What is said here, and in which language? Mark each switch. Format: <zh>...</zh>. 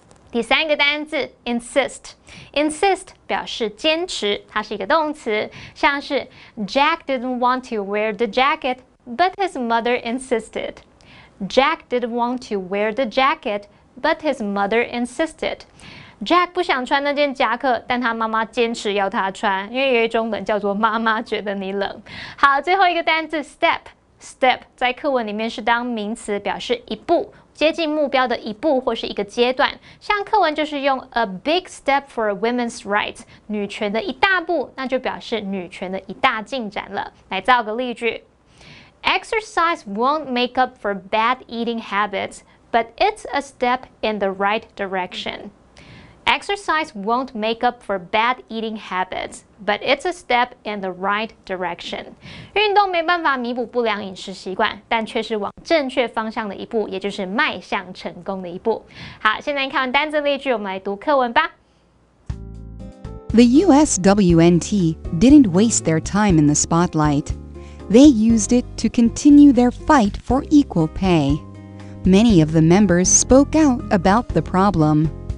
<zh>第三个单字 insist 表示坚持，它是一个动词，像是</zh> <en>Jack didn't want to wear the jacket, but his mother insisted. Jack didn't want to wear the jacket, but his mother insisted.</en> <zh>Jack 不想穿那件夹克，但他妈妈坚持要他穿，因为有一种冷叫做妈妈觉得你冷。好，最后一个单字 step 在课文里面是当名词，表示一步。接近目标的一步或是一个阶段，像课文就是用</zh> <en>a big step for women's rights，</en> <zh>女权的一大步，那就表示女权的一大进展了。来造个例句</zh> <en>：Exercise won't make up for bad eating habits， but it's a step in the right direction. Exercise won't make up for bad eating habits, but it's a step in the right direction.</en> <zh>运动没办法弥补不良饮食习惯，但却是往正确方向的一步，也就是迈向成功的一步。好，现在看完单字例句，我们来读课文吧。</zh> <en>The USWNT didn't waste their time in the spotlight. They used it to continue their fight for equal pay. Many of the members spoke out about the problem.</en>